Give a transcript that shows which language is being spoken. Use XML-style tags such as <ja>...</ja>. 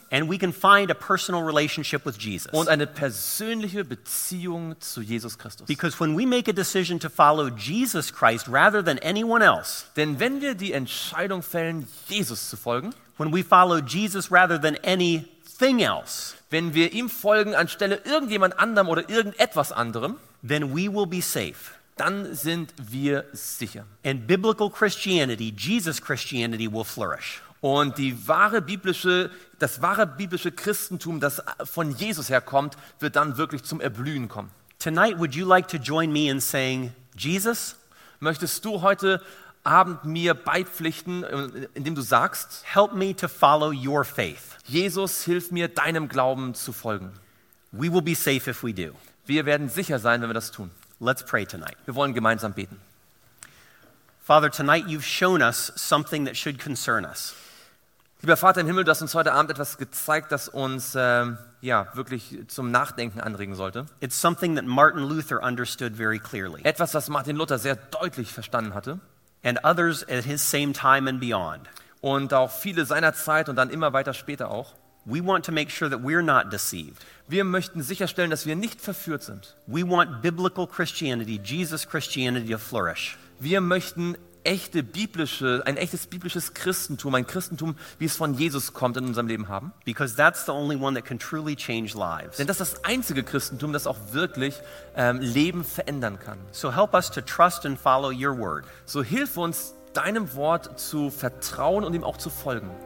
<en>and we can find a personal relationship with Jesus.</en> <de>Und eine persönliche Beziehung zu Jesus Christus.</de> <en>Because when we make a decision to follow Jesus Christ rather than anyone else,</en> <de>denn wenn wir die Entscheidung fällen, Jesus zu folgen,</de> <en>when we follow Jesus rather than anything else,</en> <de>wenn wir ihm folgen anstelle irgendjemand anderem oder irgendetwas anderem,</de> <en>then we will be safe.</en> <de>Dann sind wir sicher.</de> <en>And biblical Christianity, Jesus Christianity will flourish.</en> <de>Und die wahre biblische, das wahre biblische Christentum, das von Jesus herkommt, wird dann wirklich zum Erblühen kommen.</de> <en>Tonight, would you like to join me in saying, Jesus?</en> <de>Möchtest du heute Abend mir beipflichten, indem du sagst,</de> <en>help me to follow your faith.</en> <de>Jesus, hilf mir, deinem Glauben zu folgen.</de> <en>We will be safe if we do.</en> <de>Wir werden sicher sein, wenn wir das tun.</de> <en>Let's pray tonight.</en> <de>Wir wollen gemeinsam beten.</de> <en>Father, tonight you've shown us something that should concern us.</en> <de>Lieber Vater im Himmel, du hast uns heute Abend etwas gezeigt, das uns wirklich zum Nachdenken anregen sollte.</de> <en>It's something that Martin Luther understood very clearly.</en> <de>Etwas, das Martin Luther sehr deutlich verstanden hatte.</de> <en>And others at his same time and beyond.</en> <de>Und auch viele seiner Zeit und dann immer weiter später auch.</de> <en>We want to make sure that we're not deceived.</en> <de>Wir möchten sicherstellen, dass wir nicht verführt sind.</de> <en>We want biblical Christianity, Jesus Christianity to flourish.</en> <de>Wir möchten ein echtes biblisches Christentum, ein Christentum, wie es von Jesus kommt, in unserem Leben haben.</de> <en>Because that's the only one that can truly change lives.</en> <de>Denn das ist das einzige Christentum, das auch wirklich Leben verändern kann.</de> <en>So help us to trust and follow your word.</en> <de>So hilf uns, deinem Wort zu vertrauen und ihm auch zu folgen.</de>